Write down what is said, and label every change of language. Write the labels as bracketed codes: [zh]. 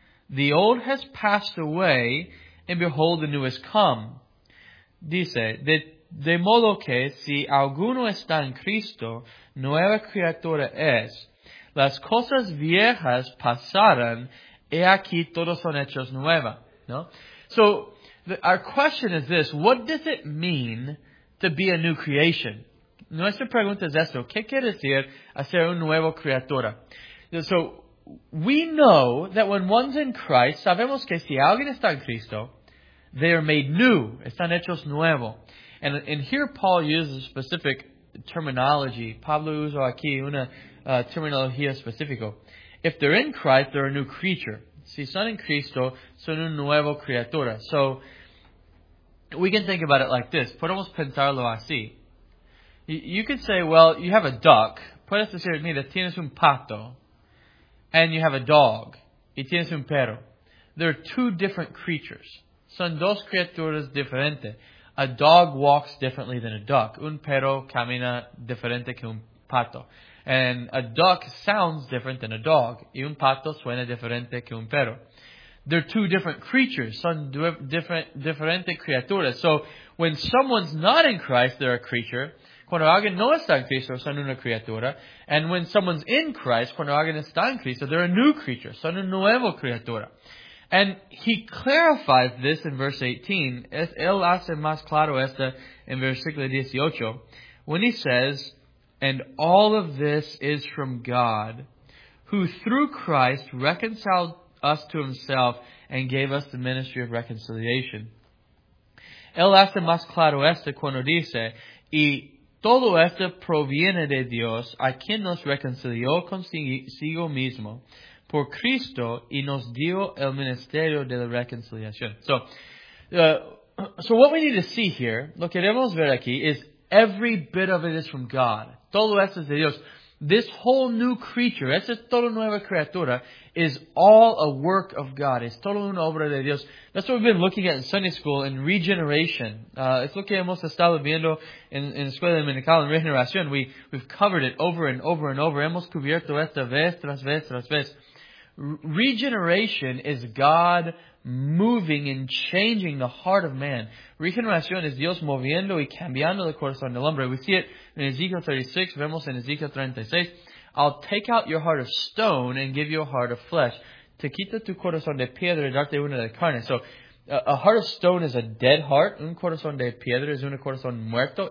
[en] The old has passed away, and behold, the new has come. [es] Dice, de modo que, si alguno está en Cristo, nueva criatura es. Las cosas viejas pasaron, y aquí todos son hechos nuevas. No? [en] So, our question is this, what does it mean to be a new creation? [es] Nuestra pregunta es esto, ¿qué quiere decir hacer un nuevo criatura? [en] So, we know that when one's in Christ, [es] sabemos que si alguien está en Cristo, [en] they are made new. [es] Están hechos nuevos. [en] And here Paul uses a specific terminology. [es] Pablo usa aquí una terminología específica. [en] If they're in Christ, they're a new creature. [es] Si son en Cristo, son un nuevo criatura. [en] So, we can think about it like this. [es] Podemos pensarlo así. [en] You could say, well, you have a duck. [es] Puedes decir, mira, tienes un pato. [en] And you have a dog. [es] Y tienes un perro. [en] They're two different creatures. [es] Son dos criaturas diferentes. [en] A dog walks differently than a duck. [es] Un perro camina diferente que un pato. [en] And a duck sounds different than a dog. [es] Y un pato suena diferente que un perro. [en] They're two different creatures. [es] Son diferentes criaturas. [en] So, when someone's not in Christ, they're a creature. [es] Cuando alguien no está en Cristo, son una criatura. [en] And when someone's in Christ, [es] cuando alguien está en Cristo, [en] they're a new creature. [es] Son una nueva criatura. [en] And he clarifies this in verse 18. [es] Él hace más claro esto en versículo 18. [en] When he says, and all of this is from God, who through Christ reconciled us to himself and gave us the ministry of reconciliation. [es] Él hace más claro esto cuando dice, y todo esto proviene de Dios, a quien nos reconcilió consigo mismo por Cristo y nos dio el ministerio de la reconciliación. [en] So what we need to see here, [es] lo que debemos ver aquí, [en] is every bit of it is from God. [es] Todo esto es de Dios. [en] This whole new creature, [es] esta toda nueva criatura, [en] is all a work of God. [es] Es toda una obra de Dios. [en] That's what we've been looking at in Sunday school in regeneration. [es] Es lo que hemos estado viendo en escuela dominical en regeneración. [en] We've covered it over and over and over. [es] Hemos cubierto esta vez tras vez tras vez. [en] Regeneration is God moving and changing the heart of man. [es] Regeneración es Dios moviendo y cambiando el corazón del hombre. We see it in Ezekiel 36, vemos en Ezekiel 36. [en] I'll take out your heart of stone and give you a heart of flesh. [es] Te quita tu corazón de piedra y darte una de carne. [en] So, A heart of stone is a dead heart. [es] Un corazón de piedra es un corazón muerto.